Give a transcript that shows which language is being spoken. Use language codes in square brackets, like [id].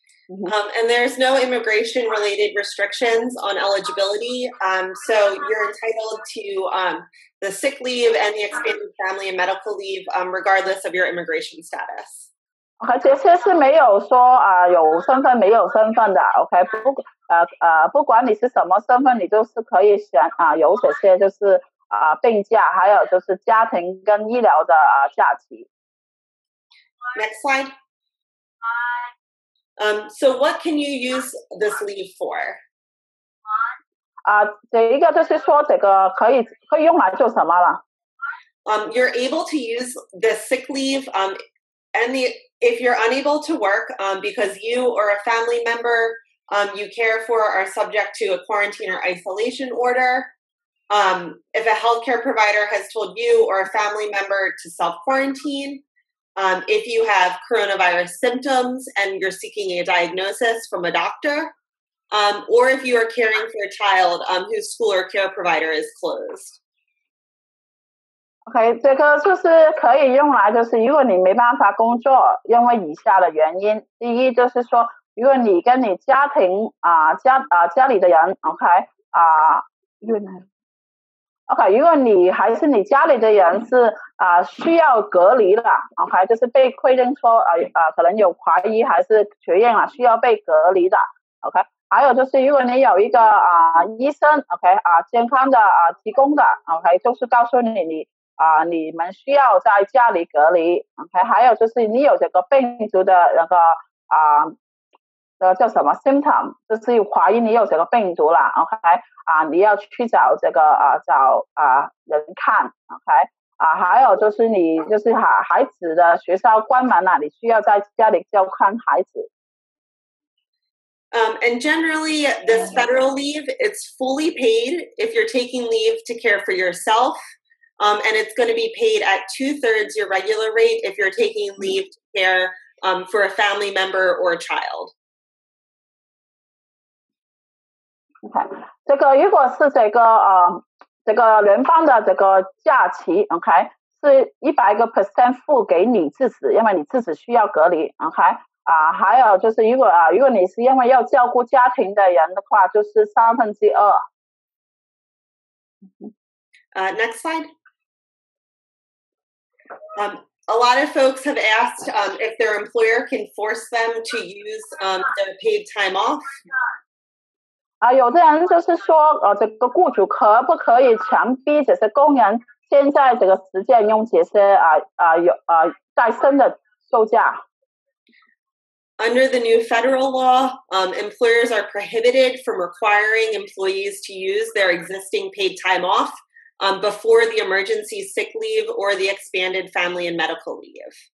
[en] And there's no immigration-related restrictions on eligibility, so you're entitled to the sick leave and the expanded family and medical leave, regardless of your immigration status. [zh] Okay, 这些是没有说有身份没有身份的 ，Okay， 不管你是什么身份，你都是可以选有这些就是病假，还有就是家庭跟医疗的假期。 [en] Next slide. So what can you use this leave for? [zh] 这一个就是说这个可以用来做什么了。 [en] You're able to use the sick leave, if you're unable to work, because you or a family member, you care for are subject to a quarantine or isolation order, if a healthcare provider has told you or a family member to self-quarantine,if you have coronavirus symptoms and you're seeking a diagnosis from a doctor, or if you are caring for a child whose school or care provider is closed. [zh] Okay, 这个就是可以用来就是如果你没办法工作，因为以下的原因，第一就是说，如果你跟你家庭家里的人 ，Okay, Okay, 如果你还是你家里的人是需要隔离了 ，OK， 就是被确认说可能有怀疑还是确认了需要被隔离的 ，OK。还有就是如果你有一个医生 ，OK 健康的提供的 ，OK， 就是告诉你你们需要在家里隔离 ，OK。还有就是你有这个病毒的那个叫什么 symptom， 就是怀疑你有这个病毒了 ，OK。你要去找这个找人看 ，OK。啊，还有就是你就是孩子的学校关门了，你需要在家里照看孩子。 [en] And generally, this federal leave, it's fully paid if you're taking leave to care for yourself, and it's going to be paid at 2/3 your regular rate if you're taking leave to care for a family member or a child. [zh] Okay, 这个如果是这个这个联邦的这个假期 ，OK， 是100% 付给你自己，因为你自己需要隔离 ，OK。啊，还有就是，如果啊，如果你是因为要照顾家庭的人的话，就是三分之二。 [en] Next slide. A lot of folks have asked if their employer can force them to use their paid time off. [zh] 啊，有的人就是说，这个雇主可不可以强逼这些工人现在这个时间用这些带薪的休假？ [en] Under the new federal law, employers are prohibited from requiring employees to use their existing paid time off before the emergency sick leave or the expanded family and medical leave.